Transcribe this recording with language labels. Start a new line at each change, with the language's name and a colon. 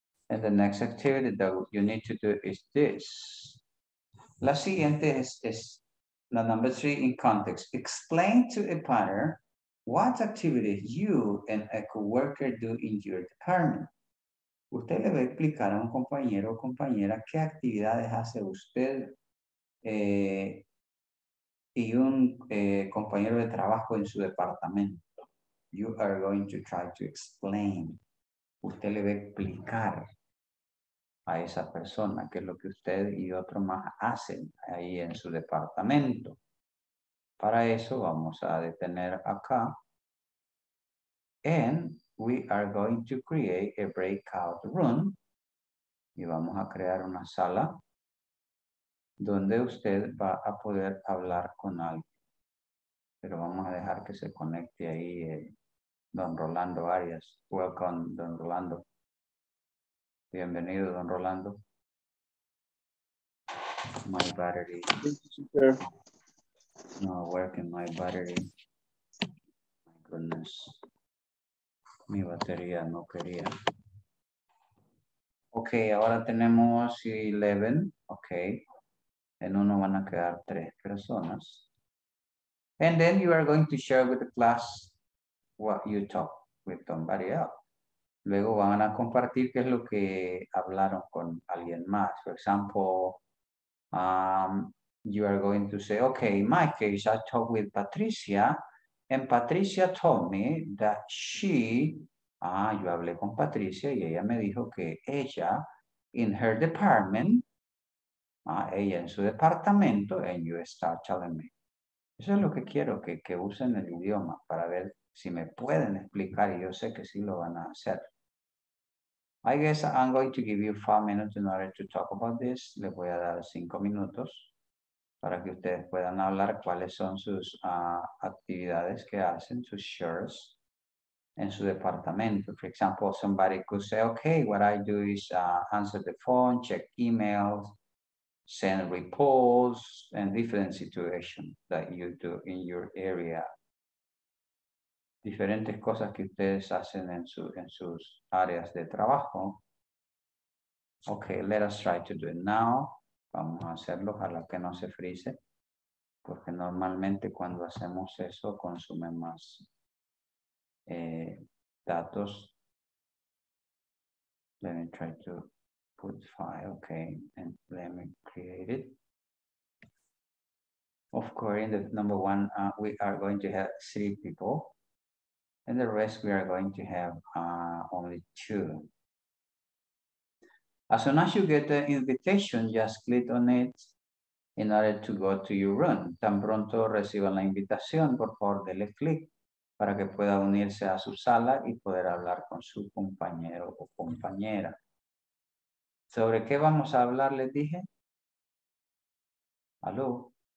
English: And the next activity that you need to do is this.
Spanish: La siguiente es la
English: number three in context. Explain to a partner what activities you and a coworker do in your department.
Spanish: Usted le va a explicar a un compañero o compañera qué actividades hace usted y un compañero de trabajo en su departamento.
English: You are going to try to explain.
Spanish: Usted le va a explicar a esa persona, que es lo que usted y otro más hacen ahí en su departamento. Para eso vamos a detener acá.
English: And we are going to create a breakout room.
Spanish: Y vamos a crear una sala donde usted va a poder hablar con alguien. Pero vamos a dejar que se conecte ahí
English: Don Rolando Arias. Welcome, Don Rolando.
Spanish: Bienvenido, Don Rolando.
English: My battery. Not working, my battery. My goodness.
Spanish: Mi batería no quería. Ok, ahora tenemos 11. Ok. En uno van a quedar tres personas.
English: And then you are going to share with the class what you talk with somebody else.
Spanish: Luego van a compartir qué es lo que hablaron con alguien más.
English: For example, you are going to say, okay, in my case, I talked with Patricia, and Patricia told me that she,
Spanish: yo hablé con Patricia y ella me dijo que ella,
English: in her department,
Spanish: ella en su departamento,
English: and you start telling me.
Spanish: Eso es lo que quiero, que usen el idioma para ver si me pueden explicar, y yo sé que sí lo van a hacer.
English: I guess I'm going to give you 5 minutes in order to talk about this.
Spanish: Les voy a dar 5 minutos para que ustedes puedan hablar cuáles son sus actividades que hacen, sus shares en su departamento.
English: For example, somebody could say, okay, what I do is answer the phone, check emails, send reports, and different situations that you do in your area.
Spanish: Diferentes cosas que ustedes hacen en, su, en sus áreas de trabajo.
English: Okay, let us try to do it now.
Spanish: Vamos a hacerlo, ojalá que no se frise, porque normalmente cuando hacemos eso consume más datos.
English: Let me try to put file, okay, and let me create it. Of course, in the number one, we are going to have 3 people. And the rest we are going to have only 2. As soon as you get the invitation, just click on it in order to go to your room.
Spanish: Tan pronto reciban la invitación, por favor, dele click para que pueda unirse a su sala y poder hablar con su compañero o compañera. ¿Sobre qué vamos a hablar? Les dije. Hello.